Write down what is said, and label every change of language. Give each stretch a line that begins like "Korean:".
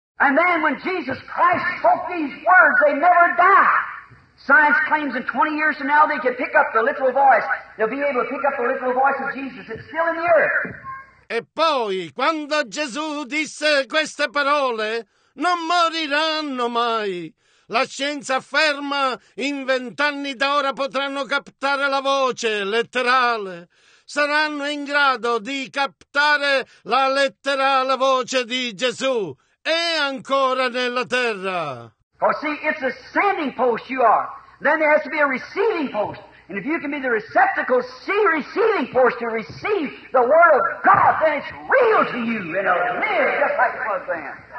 English: And then when Jesus Christ spoke these words, they never die. Science claims in 20 years from now they can pick up the literal voice. They'll be able to pick up the literal voice of Jesus. It's still in the earth.
Italian: E poi, quando Gesù disse queste parole, non moriranno mai. La scienza afferma in 20 anni da ora potranno captare la voce letterale. Saranno in grado di captare la letterale voce di Gesù. È ancora nella terra.
English: For see, it's a sending post you are. Then there has to be a receiving post. And if you can be the receptacle, see receiving post to receive the word of God, then it's real to you and it'll live just like it was then.